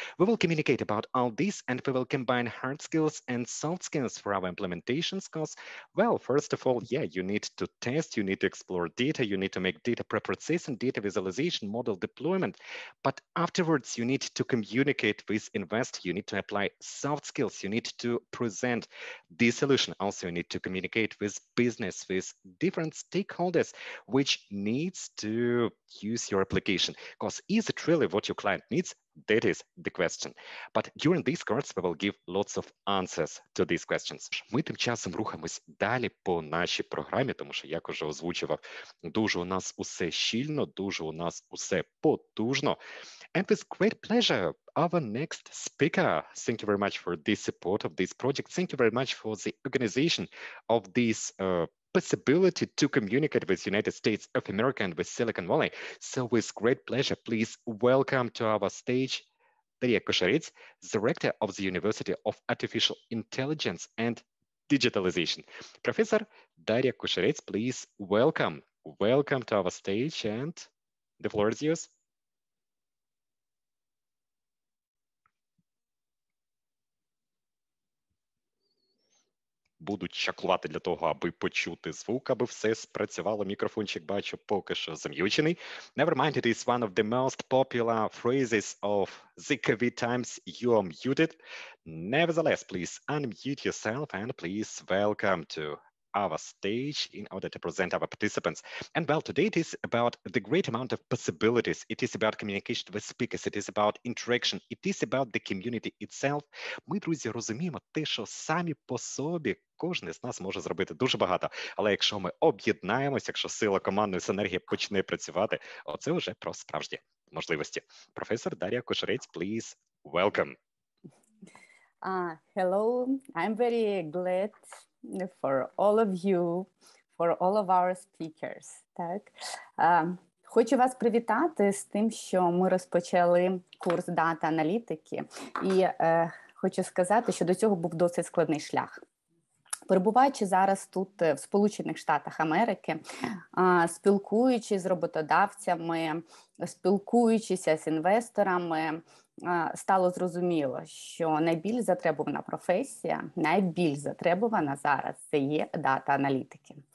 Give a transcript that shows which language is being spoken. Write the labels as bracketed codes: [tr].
[en] We will communicate about all these, and we will combine hard skills and soft skills for our implementations, because, well, first of all, yeah, you need to test, you need to explore data, you need to make data preprocessing, data visualization, model deployment, but afterwards you need to communicate with invest, you need to apply soft skills, you need to present the solution, also you need to communicate with business, with different stakeholders, which needs to use your application, because is it really what your client needs? That is the question. But during these courses, we will give lots of answers to these questions. [uk] Ми тим часом рухаємось далі по нашій програмі, тому що, як уже озвучував, дуже у нас усе щільно, дуже у нас усе потужно. [en] And with great pleasure, our next speaker, thank you very much for the support of this project. Thank you very much for the organization of this possibility to communicate with United States of America and with Silicon Valley. So with great pleasure, please welcome to our stage Дар'я Кошарець, Director of the University of Artificial Intelligence and Digitalization. Professor Дар'я Кошарець, please welcome. Welcome to our stage and the floor is yours. [uk] Будуть чаклувати для того, аби почути звук, аби все спрацювало. Мікрофончик бачу поки що зам'ючений. [en] Never mind, it is one of the most popular phrases of the COVID times. You are muted. Nevertheless, please unmute yourself and please welcome to our stage in order to present our participants. And well, today it is about the great amount of possibilities. It is about communication with speakers. It is about interaction. It is about the community itself. [uk] Ми, друзі, розуміємо те, що самі по собі кожен з нас може зробити дуже багато. Але якщо ми об'єднаємось, якщо сила командної синергії почне працювати, оце вже про справжні можливості. Професор Дар'я Кошарець, [en] please welcome. Hello, I'm very glad for all of you, for all of our speakers. [uk] Так? Хочу вас привітати з тим, що ми розпочали курс дата-аналітики. І хочу сказати, що до цього був досить складний шлях. Перебуваючи зараз тут в Сполучених Штатах Америки, спілкуючись з роботодавцями, спілкуючись з інвесторами, стало зрозуміло, що найбільш затребувана професія, найбільш затребувана зараз – це є дата-аналітики.